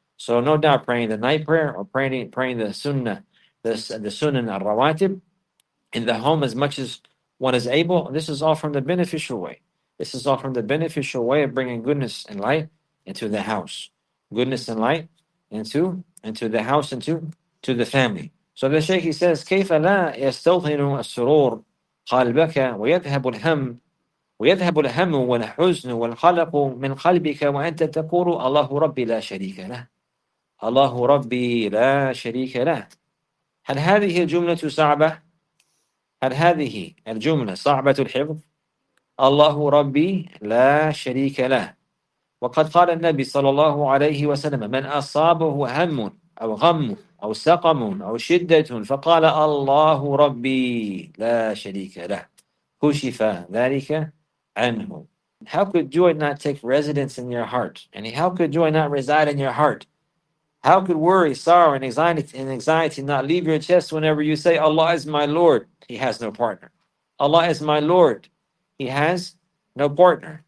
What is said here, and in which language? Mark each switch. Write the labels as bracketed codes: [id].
[en] So no doubt praying the night prayer or praying the sunnah, the sunnah al-rawatib in the home as much as one is able. This is all from the beneficial way. This is all from the beneficial way of bringing goodness and light into the house. Goodness and light into the house, into the family. So the Shaykh, he says, [ar] كَيْفَ لَا يَسْتَوْطِنُ السُّرُورُ قَلْبَكَ وَيَذْهَبُ الْهَمُّ وَيَذْهَبُ الْهَمُّ وَالْحُزْنُ وَالْخَلَقُ مِنْ قَلْبِكَ وَأَنْتَ تَقُولُ اللَّهُ رَبِّي لَا شَرِيكَ لَهُ الله ربي لا شريك له. هل هذه الجملة صعبة؟ هل هذه الجملة صعبة الحفظ؟ الله ربي لا شريك له. وقد قال النبي صلى الله عليه وسلم من أصابه هم أو غم أو سقم أو شدة فقال الله ربي لا شريك له كشف ذلك عنه. [en] How could joy not take residence in your heart? And how could joy not reside in your heart? How could worry, sorrow, and anxiety not leave your chest whenever you say, Allah is my Lord, he has no partner. Allah is my Lord, he has no partner.